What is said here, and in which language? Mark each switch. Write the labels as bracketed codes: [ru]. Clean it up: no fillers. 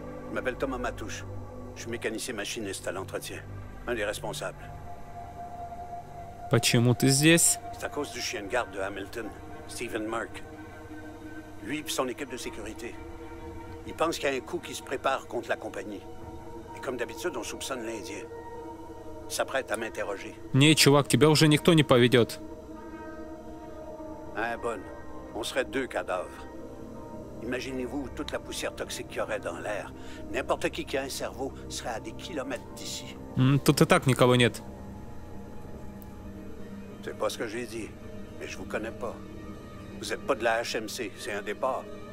[fr] Je m'appelle Thomas Matouche. Je suis mécanicien machiniste à l'entretien. Un des responsables. [ru] Почему ты здесь? [fr] C'est à cause du chien de garde de Hamilton, Stephen Mark. Lui et son équipe de sécurité. Il pense qu'il y a un coup qui se prépare contre la compagnie. Et comme d'habitude, on soupçonne l'Indien. Il s'apprête à m'interroger. [ru] Не, чувак, тебя уже никто не поведет. [fr] Ah, bonne. On serait deux cadavres. Imaginez-vous toute la poussière toxique qu'il y aurait dans l'air. N'importe qui a un cerveau serait à des kilomètres d'ici. [ru] Тут и так никого нет. [fr] C'est pas ce que j'ai dit, mais je vous connais pas. Vous êtes pas de la HMC, c'est un départ.